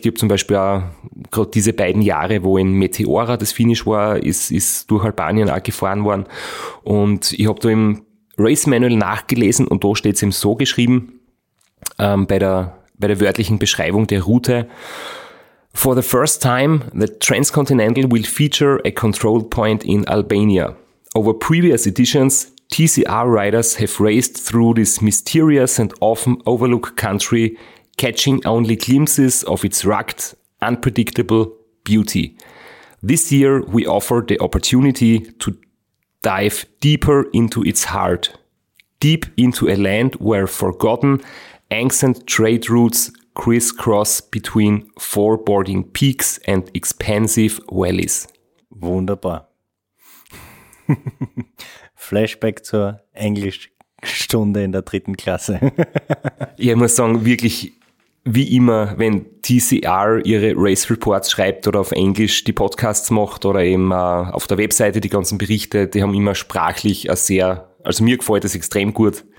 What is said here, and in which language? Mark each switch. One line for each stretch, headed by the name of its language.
German: Ich habe zum Beispiel auch gerade diese beiden Jahre, wo in Meteora das Finish war, ist durch Albanien auch gefahren worden. Und ich habe da im Race Manual nachgelesen und da steht es eben so geschrieben, bei der wörtlichen Beschreibung der Route:
English: For the first time, the Transcontinental will feature a control point in Albania. Over previous editions, TCR riders have raced through this mysterious and often overlooked country, catching only glimpses of its rugged, unpredictable beauty. This year, we offer the opportunity to dive deeper into its heart, deep into a land where forgotten, ancient trade routes crisscross between four boarding peaks and expansive valleys.
German: Wunderbar. Flashback zur Englischstunde in der dritten Klasse. Ja, ich muss sagen, wirklich, wie immer, wenn TCR ihre Race Reports schreibt oder auf Englisch die Podcasts macht oder eben auf der Webseite die ganzen Berichte, die haben immer sprachlich also mir gefällt das extrem gut.